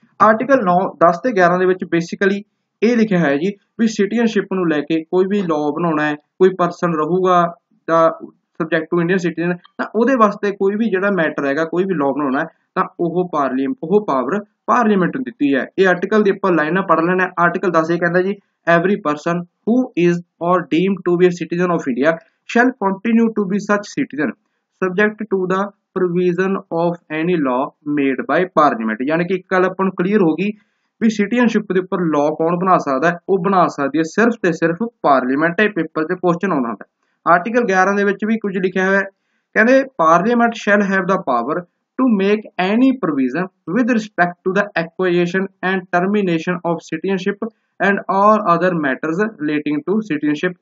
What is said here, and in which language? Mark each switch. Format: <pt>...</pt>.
<pa>Article 10 ਤੇ 11 ਦੇ ਵਿੱਚ ਬੇਸਿਕਲੀ ਇਹ ਲਿਖਿਆ ਹੋਇਆ ਜੀ ਵੀ ਸਿਟੀਜ਼ਨਸ਼ਿਪ ਨੂੰ ਲੈ ਕੇ ਕੋਈ ਵੀ ਲਾਅ ਬਣਾਉਣਾ ਹੈ, ਕੋਈ ਪਰਸਨ ਰਹੂਗਾ ਜਾਂ ਸਬਜੈਕਟ ਟੂ ਇੰਡੀਅਨ ਸਿਟੀਜ਼ਨ, ਤਾਂ ਉਹਦੇ ਵਾਸਤੇ ਕੋਈ ਵੀ ਜਿਹੜਾ ਮੈਟਰ ਹੈਗਾ, ਕੋਈ ਵੀ ਲਾਅ ਬਣਾਉਣਾ, ਤਾਂ ਉਹ ਪਾਵਰ ਪਾਰਲੀਮੈਂਟ ਨੂੰ ਦਿੱਤੀ ਹੈ। ਇਹ ਆਰਟੀਕਲ ਦੀ ਆਪਾਂ ਲਾਈਨਾਂ ਪੜ੍ਹ ਲੈਣਾ। ਆਰਟੀਕਲ 10 ਇਹ ਕਹਿੰਦਾ ਜੀ,</pa> <en>Every person who is or deemed to be a citizen of India shall continue to be such citizen subject to the provision of any law made by parliament.</en> <pa>ਯਾਨੀ ਕਿ ਇੱਕ ਗੱਲ ਆਪਾਂ ਨੂੰ ਕਲੀਅਰ ਹੋ ਗਈ ਵੀ ਸਿਟੀਜ਼ਨਸ਼ਿਪ ਦੇ ਉੱਪਰ ਲਾਅ ਕੌਣ ਬਣਾ ਸਕਦਾ ਹੈ, ਉਹ ਬਣਾ ਸਕਦੀ ਹੈ ਸਿਰਫ ਤੇ ਸਿਰਫ ਪਾਰਲੀਮੈਂਟ ਹੈ, ਪੇਪਰ 'ਚ ਕੁਐਸਚਨ ਆਉਂਦਾ ਹੁੰਦਾ। ਆਰਟੀਕਲ 11 ਦੇ ਵਿੱਚ ਵੀ ਕੁਝ ਲਿਖਿਆ ਹੋਇਆ, ਕਹਿੰਦੇ</pa> <en>Parliament shall have the power to make any provision with respect to the acquisition and termination of citizenship and all other matters relating to citizenship.</en>